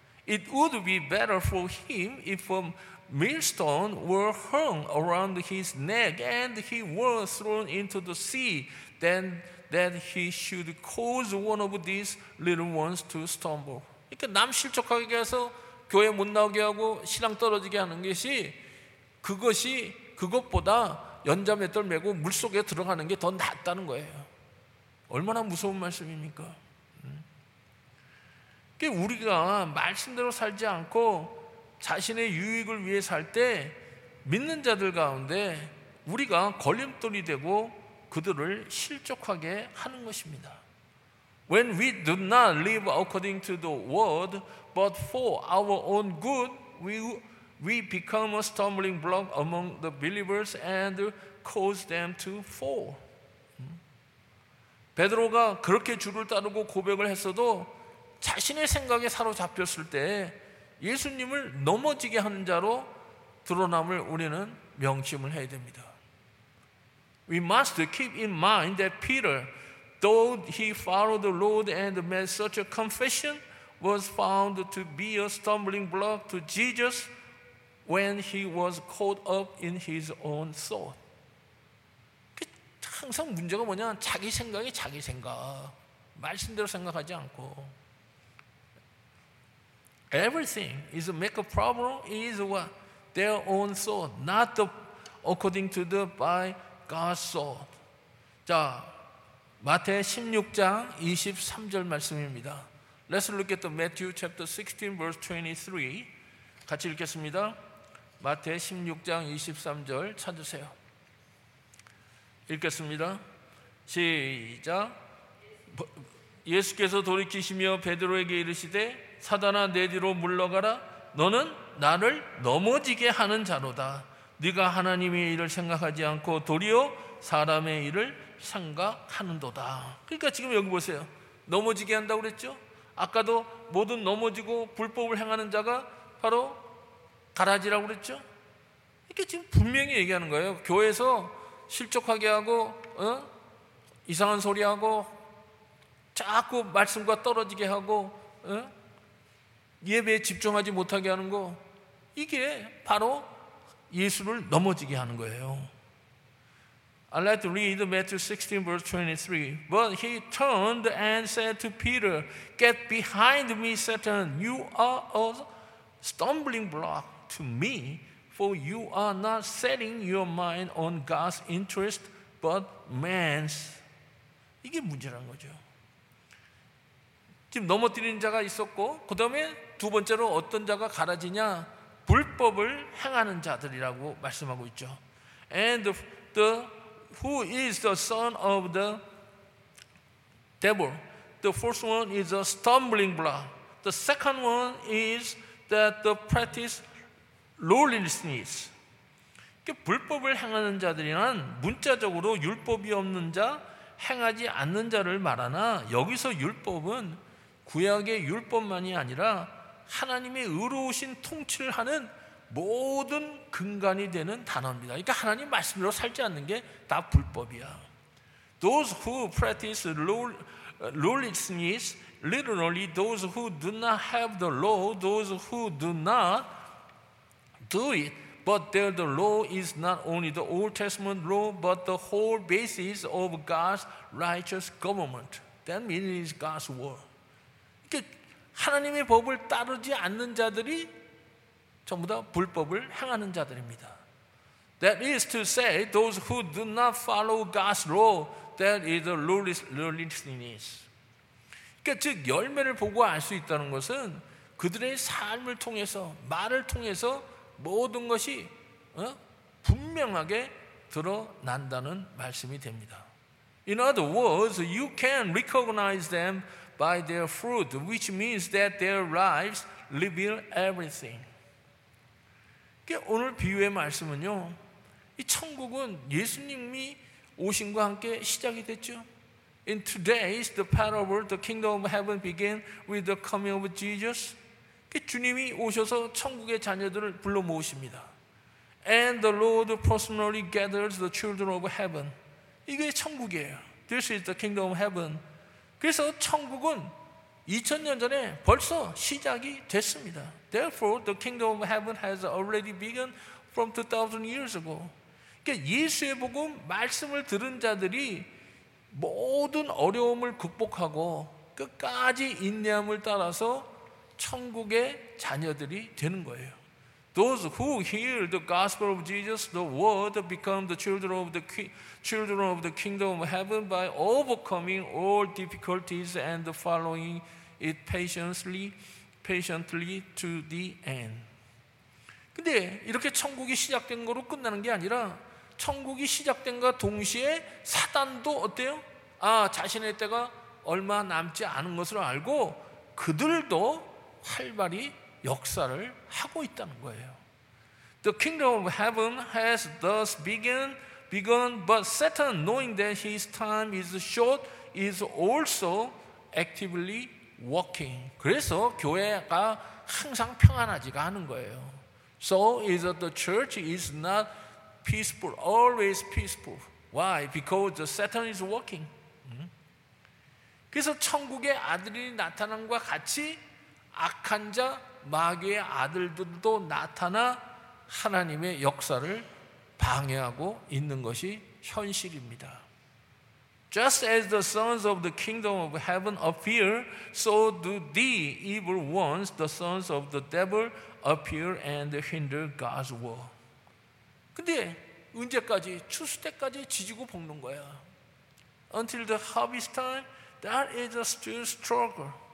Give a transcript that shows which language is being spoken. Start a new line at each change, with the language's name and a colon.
English: It would be better for him if a millstone were hung around his neck and he were thrown into the sea than that he should cause one of these little ones to stumble.
Korean: 그러니까 남 실족하게 해서 교회 못 나오게 하고 신앙 떨어지게 하는 것이, 그것이 그것보다 연자 맷돌 메고 물속에 들어가는 게 더 낫다는 거예요. 얼마나 무서운 말씀입니까? 우리가 말씀대로 살지 않고 자신의 유익을 위해 살 때 믿는 자들 가운데 우리가 걸림돌이 되고 그들을 실족하게 하는 것입니다.
English: When we do not live according to the word but for our own good, we become a stumbling block among the believers and cause them to fall.
Korean: 베드로가 그렇게 주를 따르고 고백을 했어도 자신의 생각에 사로잡혔을 때 예수님을 넘어지게 하는 자로 드러남을 우리는 명심을 해야 됩니다.
English: We must keep in mind that Peter, though he followed the Lord and made such a confession, was found to be a stumbling block to Jesus when he was caught up in his own thought.
Korean: 항상 문제가 뭐냐? 자기 생각이 자기 생각. 말씀대로 생각하지 않고.
English: Everything is make a problem is what? Their own thought, not the, according to the by God's thought.
Korean: 자, 마태 16장 23절 말씀입니다.
English: Let's look at the Matthew chapter 16 verse 23.
Korean: 같이 읽겠습니다. 마태 16장 23절 찾으세요. 읽겠습니다. 시작. 예수께서 돌이키시며 베드로에게 이르시되 사단아 내 뒤로 물러가라. 너는 나를 넘어지게 하는 자로다. 네가 하나님의 일을 생각하지 않고 도리어 사람의 일을 생각하는도다. 그러니까 지금 여기 보세요. 넘어지게 한다고 그랬죠? 아까도 모든 넘어지고 불법을 행하는 자가 바로 가라지라고 그랬죠? 이렇게 지금 분명히 얘기하는 거예요. 교회에서 실족하게 하고 이상한 소리하고 자꾸 말씀과 떨어지게 하고 예배에 집중하지 못하게 하는 거, 이게 바로 예수를 넘어지게 하는 거예요.
English: I'd like to read Matthew 16 verse 23. But he turned and said to Peter, Get behind me, Satan. You are a stumbling block to me. For you are not setting your mind on God's interest, but man's.
Korean: 이게 문제라는 거죠. 지금 넘어뜨리는 자가 있었고, 그 다음에 두 번째로 어떤 자가 가라지냐? 불법을 행하는 자들이라고 말씀하고 있죠.
English: And who is the son of the devil? The first one is a stumbling block. The second one is that the practice lawlessness.
Korean: 불법을 행하는 자들이란 문자적으로 율법이 없는 자, 행하지 않는 자를 말하나 여기서 율법은 구약의 율법만이 아니라 하나님의 의로우신 통치를 하는 모든 근간이 되는 단어입니다. 그러니까 하나님 말씀으로 살지 않는 게 다 불법이야.
English: Those who practice lawlessness, literally those who do not have the law, those who do not do it, but there the law is not only the Old Testament law, but the whole basis of God's righteous government. That means it is God's word.
Korean: 하나님의 법을 따르지 않는 자들이 전부 다 불법을 행하는 자들입니다.
English: That is to say, those who do not follow God's law, that is the lawlessness.
Korean: 그러니까 즉 열매를 보고 알 수 있다는 것은 그들의 삶을 통해서, 말을 통해서 모든 것이 분명하게 드러난다는 말씀이 됩니다.
English: In other words, you can recognize them by their fruit, which means that their lives reveal everything.
Korean: 오늘 비유의 말씀은요, 이 천국은 예수님이 오신과 함께 시작이 됐죠.
English: In today's the parable, the kingdom of heaven began with the coming of Jesus.
Korean: 주님이 오셔서 천국의 자녀들을 불러 모으십니다.
English: And the Lord personally gathers the children of heaven.
Korean: 이게 천국이에요.
English: This is the kingdom of heaven.
Korean: 그래서 천국은 2000년 전에 벌써 시작이 됐습니다.
English: Therefore, the kingdom of heaven has already begun from 2000 years ago.
Korean: 그러니까 예수의 복음, 말씀을 들은 자들이 모든 어려움을 극복하고 끝까지 인내함을 따라서 천국의 자녀들이 되는 거예요.
English: Those who hear the gospel of Jesus, the word, become the children of the children of the kingdom of heaven by overcoming all difficulties and following it patiently to the end.
Korean: 근데 이렇게 천국이 시작된 거로 끝나는 게 아니라 천국이 시작된 것과 동시에 사단도 어때요? 아, 자신의 때가 얼마 남지 않은 것을 알고 그들도 활발히 역사를 하고 있다는 거예요.
English: The kingdom of heaven has thus begun, but Satan, knowing that his time is short, is also actively working.
Korean: 그래서 교회가 항상 평안하지가 않은 거예요.
English: So is that the church is not peaceful, always peaceful. Why? Because Satan is working.
Korean: 그래서 천국의 아들이 나타난과 같이 악한 자, 마귀의 아들들도 나타나 하나님의 역사를 방해하고 있는 것이 현실입니다.
English: Just as the sons of the kingdom of heaven appear, so do the evil ones, the sons of the devil, appear and hinder God's work.
Korean: 근데 언제까지? 추수 때까지 지지고 볶는 거야.
English: Until the harvest time, that is a still struggle.